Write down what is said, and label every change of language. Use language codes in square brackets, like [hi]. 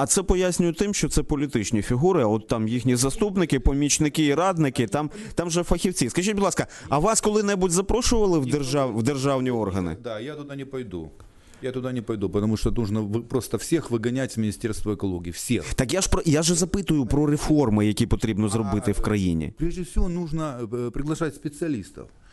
[ru] А это поясню тем, что это политические фигуры, а вот там их [uk] заступники, помічники и радники, там же фахівці. [ru] Скажите, пожалуйста, а вас когда-нибудь [uk] запрошували в державні [ru] органы? Да, я туда не пойду. Я туда не пойду, потому что нужно просто всех выгонять с Министерства экологии. Всех. [uk] Так я же запитую про реформы, які потрібно зробити в країні. [ru] Прежде всего, нужно приглашать специалистов.